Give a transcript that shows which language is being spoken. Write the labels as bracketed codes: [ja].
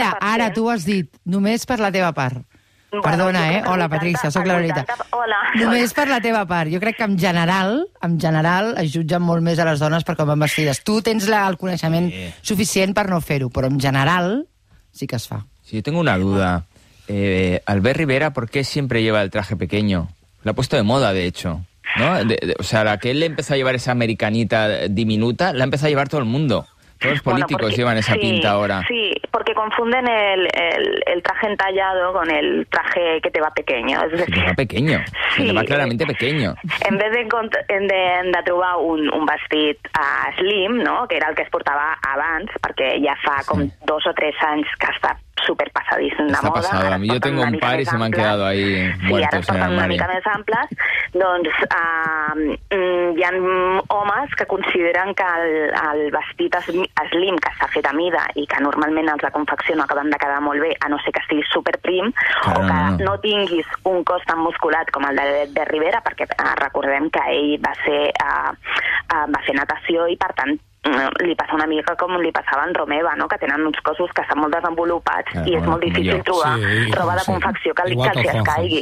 [ca] Ara tu has dit, només per la teva part. Perdona, hola, Patrícia, sóc la Lolita. Hola. Només per la teva part. Jo crec que en general, es jutgen molt més a les dones per com van vestides. Tu tens el coneixement suficient per no fer-ho, però en general sí que es fa. [es] Sí, tengo una duda. Albert Rivera, ¿por qué siempre lleva el traje pequeño? Lo ha puesto de moda, de hecho, ¿no? O sea, la que él le empezó a llevar esa americanita diminuta, la empezó a llevar todo el mundo. Todos los políticos llevan esa pinta ahora. Sí, porque confunden el traje entallado con el traje que te va pequeño. Es decir, que te va pequeño. Sí. Te va claramente pequeño. En vez de [ca] trobar un vestit slim, ¿no?, que era el que es portava abans, perquè ja fa com 2 o 3 anys que està superpassadíssim de moda. Està passada. Jo tinc un par i se m'han [es] quedado ahí muertos. [ca] Sí, ara estan una mica més amples. Doncs hi ha homes que consideren que el vestit slim que està fet a mida i que normalment els de confecció no acaben de quedar molt bé, a no ser que estiguis superprim, [es] claro, [ca] o que no tinguis un cos tan musculat com el de Rivera, perquè recordem que ell va fer natació i, per tant, li passa una mica com li passava en Romeva, no?, que tenen uns cossos que estan molt desenvolupats, i és molt difícil trobar roba de confecció que els es caigui.